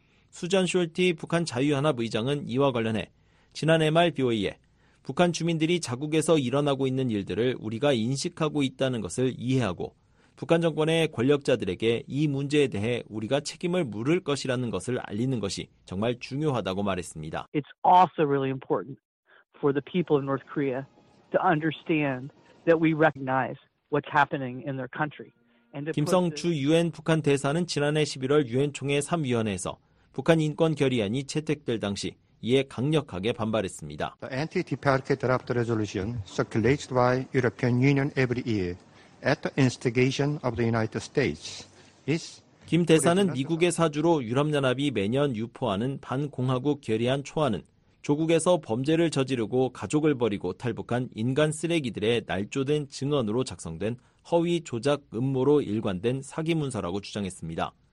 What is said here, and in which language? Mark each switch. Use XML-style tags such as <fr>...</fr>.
<ko>수잔 숄티 북한 자유연합 의장은 이와 관련해 지난해 말 BOE에 북한 주민들이 자국에서 일어나고 있는 일들을 우리가 인식하고 있다는 것을 이해하고 북한 정권의 권력자들에게 이 문제에 대해 우리가 책임을 물을 것이라는 것을 알리는 것이 정말 중요하다고 말했습니다.</ko> <en>It's also really important for the people of North Korea to understand that we recognize what's happening in their country.</en> <ko>김성 주 유엔 북한 대사는 지난해 11월 유엔 총회 3위원회에서 북한 인권 결의안이 채택될 당시 이에 강력하게 반발했습니다.</ko> <en>The anti-deprivation draft resolution circulated by European Union every year at the instigation of the United States is</en> <ko>김 대사는 미국의 사주로 유럽연합이 매년 유포하는 반공화국 결의안 초안은 조국에서 범죄를 저지르고 가족을 버리고 탈북한 인간 쓰레기들의 날조된 증언으로 작성된 허위 조작 음모로 일관된 사기 문서라고 주장했습니다.</ko>